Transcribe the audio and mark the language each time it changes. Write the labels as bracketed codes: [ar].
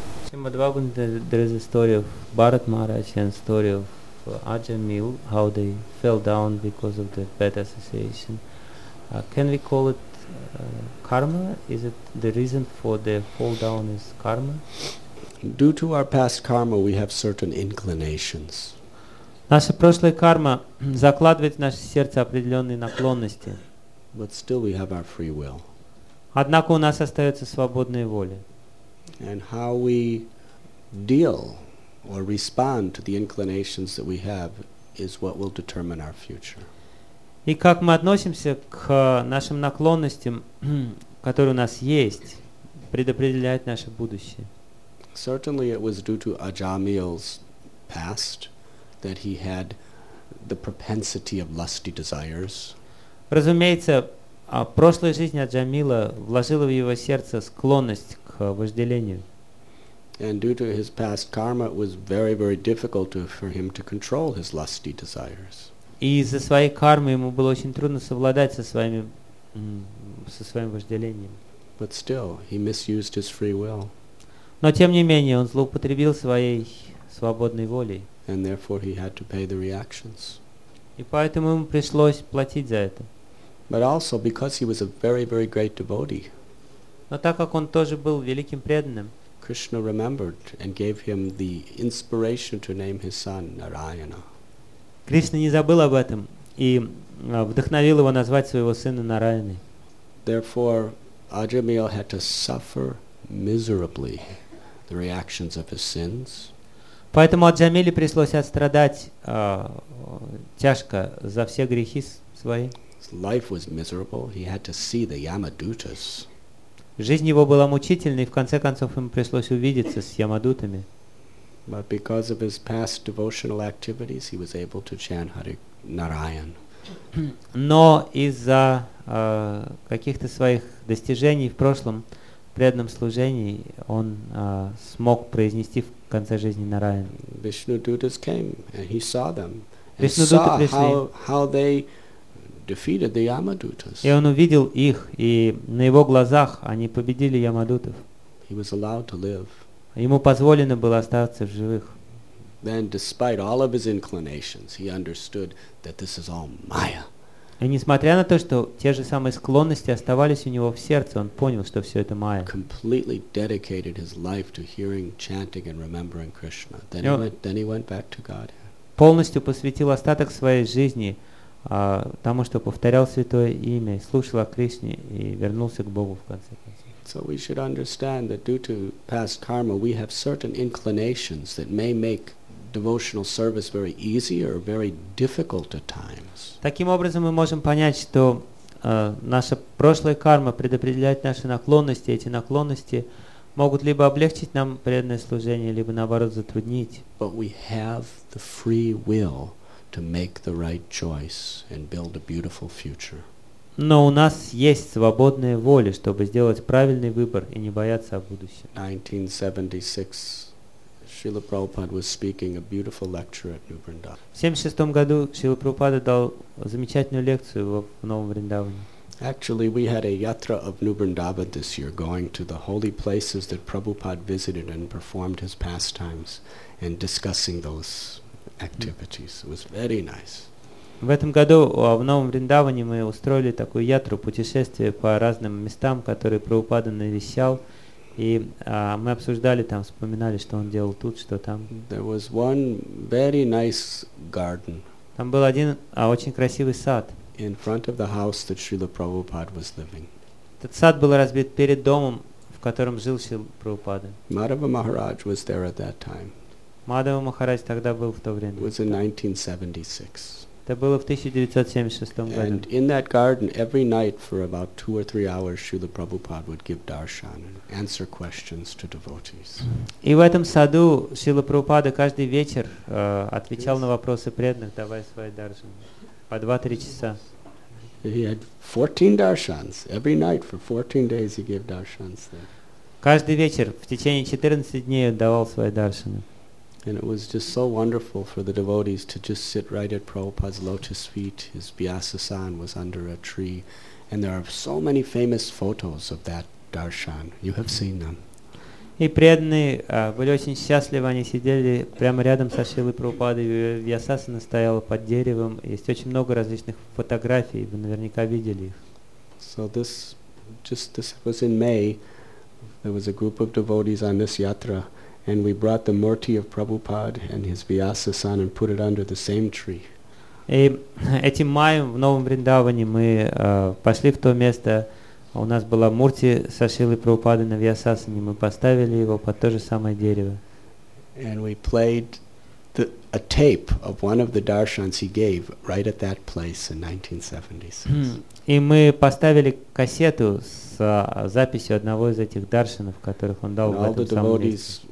[en] Shrimad Bhagavatam, there is a story of Bharat Maharaj and story of Ajahn Mill, how they fell down because of the bad association. Can we call it karma? Is it the reason for the fall down is karma? Due to our past karma, we have certain inclinations. [ru] Наша прошлая карма закладывает в наше сердце определенные наклонности. [en] But still we have our free will. [ru] Однако у нас остается свободная воля. [en] And how we deal or respond to the inclinations that we have is what will determine our future. [ru] И как мы относимся к нашим наклонностям, которые у нас есть, предопределяет наше будущее. [en] Certainly it was due to Ajamil's past that he had the propensity of lusty desires. [ru] Разумеется, прошлая жизнь Аджамила вложила в его сердце склонность к вожделению. [en] And due to his past karma, it was very, very difficult for him to control his lusty desires. [ru] И из-за своей кармы ему было очень трудно совладать со своим вожделением. [en] But still, he misused his free will. [ru] Но тем не менее, он злоупотребил своей свободной волей. [en] And therefore he had to pay the reactions. [ru] И поэтому ему пришлось платить за это. [en] But also because he was a very, very great devotee. [ru] Но так как он тоже был великим преданным, [en] Krishna remembered and gave him the inspiration to name his son Narayana. [ru] Кришна не забыл об этом и вдохновил его назвать своего сына Нараяной. [en] Therefore, Ajamil had to suffer miserably the reactions of his sins. [ru] Поэтому Аджамиле пришлось отстрадать тяжко за все грехи свои. [en] His life was miserable. He had to see the Yamadutas. [ru] Жизнь его была мучительной, и в конце концов ему пришлось увидеться с Ямадутами. [en] But because of his past devotional activities, he was able to chant Hare Narayan. [ru] Но из-за каких-то своих достижений в прошлом преданном служении он смог произнести в конце жизни Нараян. [en] Vishnudutas came and he saw them and saw how they defeated the Yamadutas. [ru] И он увидел их, и на его глазах они победили Ямадутов. [en] He was allowed to live. [ru] Ему позволено было остаться в живых. [en] Then, despite all of his inclinations, he understood that this is all Maya. [ru] И несмотря на то, что те же самые склонности оставались у него в сердце, он понял, что все это Майя. [en] Completely dedicated his life to hearing, chanting, and remembering Krishna. Then he went back to Godhead. [ru] Полностью посвятил остаток своей жизни тому, что повторял святое имя, слушал о Кришне и вернулся к Богу в конце концов. [en] So we should understand that due to past karma, we have certain inclinations that may make devotional service very easy or very difficult at times. [ru] Таким образом, мы можем понять, что наша прошлая карма предопределяет наши наклонности, эти наклонности могут либо облегчить нам преданное служение, либо наоборот затруднить. [en] But we have the free will to make the right choice and build a beautiful future. [ru] Но у нас есть свободная воля, чтобы сделать правильный выбор и не бояться о будущем. [en] 1976 Шрила Прабхупада was speaking a beautiful lecture at New Vrindavan. [ru] В 1976 году Шрила Прабхупада дал замечательную лекцию в Новом Вриндаване. [en] Actually, we had a yatra of New Vrindavan this year, going to the holy places that Prabhupada visited and performed his pastimes and discussing those activities. It was very nice. [ru] В этом году в Новом Вриндаване мы устроили такую ятру, путешествие по разным местам, которые Прабхупада навещал, и мы обсуждали там, вспоминали, что он делал тут, что там. [en] There was one very nice garden. [ru] Там был один очень красивый сад. [en] In front of the house that Srila Prabhupada was living. [ru] Этот сад был разбит перед домом, в котором жил Шрила Прабхупада. [en] Madhava Maharaj was there at that time. [ru] Мадхава Махарадж тогда был в то время. [en] It was in 1976. [ru] Это было в 1976 году. [en] And in that garden, every night for about 2 or 3 hours, Srila Prabhupada would give darshan and answer questions to devotees. [ru] И в этом саду Шрила Прабхупада каждый вечер отвечал на вопросы преданных, давая свои даршан по 2-3 часа. [en] He had 14 darshans. Every night for 14 days he gave darshans there. [ru] Каждый вечер в течение 14 дней он давал свои даршаны. [en] And it was just so wonderful for the devotees to just sit right at Prabhupada's lotus feet. His Vyasasan was under a tree. And there are so many famous photos of that darshan. You have seen them. [ru] И преданные были очень счастливы. Они сидели прямо рядом со Шрилой Прабхупадой. Вьясасана стояла под деревом. Есть очень много различных фотографий. Вы наверняка видели их. [en] So this was in May. There was a group of devotees on this yatra. And we brought the murti of Prabhupada and his Vyasasan and put it under the same tree. [ru] И этим маем в Новом Вриндаване мы пошли в то место, у нас была мурти со Шрилой Прабхупадой на Вьясасане, мы поставили его под то же самое дерево. [en] And we played a tape of one of the darshans he gave right at that place in 1976. [ru] И мы поставили кассету с записью одного из этих даршанов, которых он дал в этом самом месте.